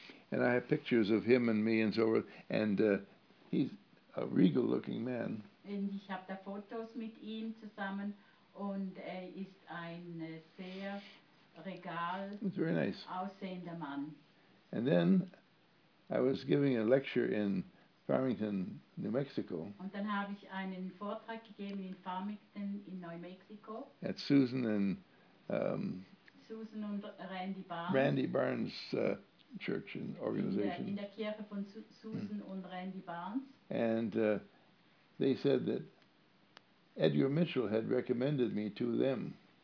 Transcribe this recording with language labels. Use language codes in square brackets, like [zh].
[en] And I have pictures of him and me and so forth. And he's a regal looking man. [de] Und ich habe da Fotos mit ihm zusammen. Und er ist ein sehr regal [en] very nice. [de] Aussehender Mann. [en] And then I was giving a lecture in Farmington, New Mexico. [de] Und dann habe ich einen Vortrag gegeben in Farmington in New Mexico. [en] At Susan and [de] Susan und Randy Barnes. [en] Randy Barnes church and organization. [de] In der Kirche von Susan und Randy Barnes. [en] And they said that Edgar Mitchell had recommended me to them.